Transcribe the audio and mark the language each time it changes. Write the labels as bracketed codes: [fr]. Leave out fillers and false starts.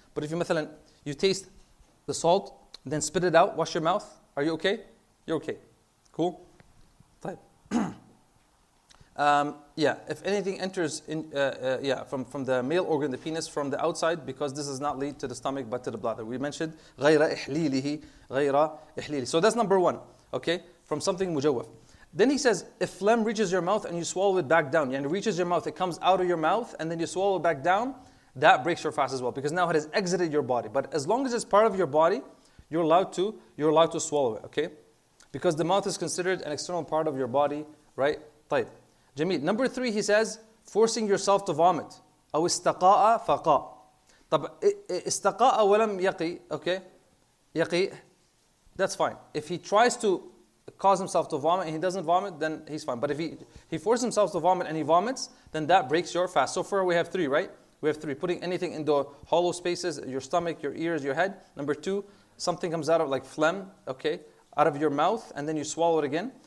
[en] But if you, مثلاً, you taste the salt, then spit it out, wash your mouth, are you okay? You're okay. Cool? yeah, if anything enters in, yeah, from the male organ, the penis, from the outside, because this does not lead to the stomach but to the bladder. We mentioned [ar] غير إحليله, غير إحليله. [en] So that's number one, okay, from something مجوف. Then he says, if phlegm reaches your mouth and you swallow it back down, and it reaches your mouth, it comes out of your mouth, and then you swallow it back down, that breaks your fast as well, because now it has exited your body. But as long as it's part of your body, you're allowed to swallow it, okay? Because the mouth is considered an external part of your body, right? [ar] طيب. Jameel. [en] Number three, he says, forcing yourself to vomit. [ar] أو استقاء فقاء. طب استقاء ولم يقي, okay, يقي, [en] that's fine. If he tries to cause himself to vomit and he doesn't vomit, then he's fine. But if he forces himself to vomit and he vomits, then that breaks your fast. So far we have three, right? We have three. Putting anything into hollow spaces, your stomach, your ears, your head. Number two, something comes out of like phlegm, okay, out of your mouth, and then you swallow it again.